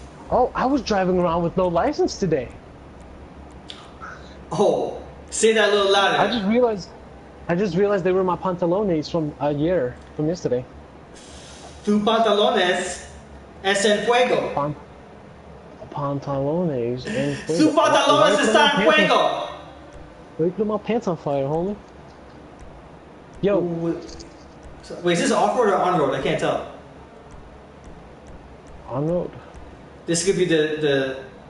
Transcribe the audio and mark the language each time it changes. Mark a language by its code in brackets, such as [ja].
[en] Oh, I was driving around with no license today. Oh, say that a little louder. I just realized they were my pantalones from a year from yesterday. [es] Tu pantalones es en fuego. Pantalones en fuego. Tu pantalones es en fuego. [en] Why you put my pants on fire, homie? Yo. Wait, is this off-road or on-road? I can't tell. On-road. This could be the...